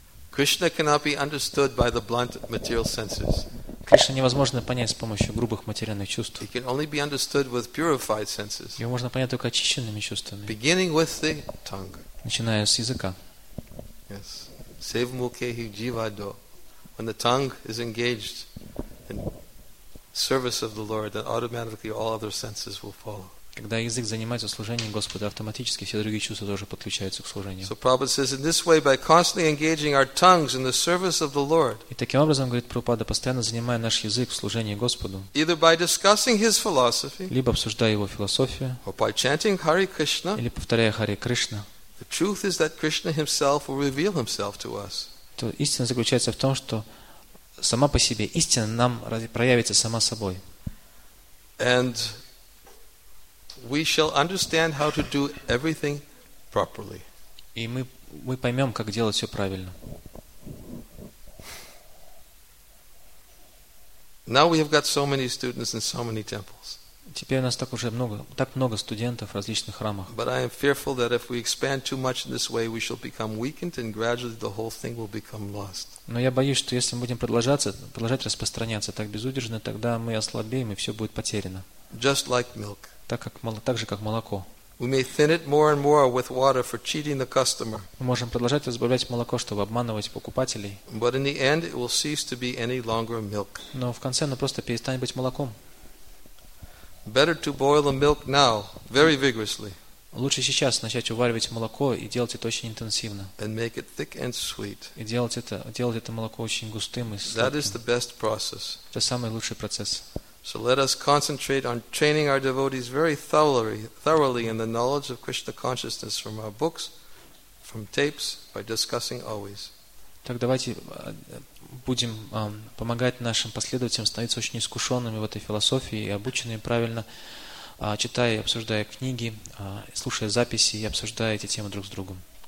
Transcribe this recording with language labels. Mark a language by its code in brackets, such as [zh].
[en] Krishna cannot be understood by the blunt material senses. [ru] Кришну невозможно понять с помощью грубых материальных чувств. [en] It can only be understood with purified senses. [ru] Его можно понять только очищенными чувствами. [en] Beginning with the tongue. [ru] Начиная с языка. [en] Yes. [sa] Save mukhehi jivado. [en] When the tongue is engaged in service of the Lord, then automatically all other senses will follow. [ru] Когда язык занимается служением Господа, автоматически все другие чувства тоже подключаются к служению. [en] So Prabhupada says, in this way, by constantly engaging our tongues in the service of the Lord. [ru] И таким образом, говорит Прабхупада, постоянно занимая наш язык в служении Господу. [en] Either by discussing his philosophy. [ru] Либо обсуждая его философию. [en] Or by chanting Hare Krishna. [ru] Или повторяя Харе Кришна. [en] The truth is that Krishna himself will reveal himself to us. [ru] То истина заключается в том, что сама по себе истина нам проявится сама собой. [en] And we shall understand how to do everything properly. [ru] И мы поймем, как делать все правильно. [en] Now we have got so many students in so many temples. [ru] Теперь у нас так уже много, так много студентов в различных храмах. [en] But I am fearful that if we expand too much in this way, we shall become weakened, and gradually the whole thing will become lost. [ru] Но я боюсь, что если мы будем продолжать распространяться так безудержно, тогда мы ослабеем и все будет потеряно. [en] Just like milk. [ru] Так же, как молоко. [en] We may thin it more and more with water for cheating the customer. [ru] Мы можем продолжать разбавлять молоко, чтобы обманывать покупателей. [en] But in the end, it will cease to be any longer milk. [ru] Но в конце оно просто перестанет быть молоком. [en] Better to boil the milk now, very vigorously. [ru] Лучше сейчас начать уваривать молоко и делать это очень интенсивно. [en] And make it thick and sweet. [ru] И делать это молоко очень густым и сладким. [en] That is the best process. [ru] Это самый лучший процесс. [en] So let us concentrate on training our devotees very thoroughly in the knowledge of Krishna consciousness from our books, from tapes, by discussing always. [ru] Так давайте будем помогать нашим последователям становиться очень искушенными в этой философии и обученными правильно, читая и обсуждая книги, слушая записи и обсуждая эти темы друг с другом.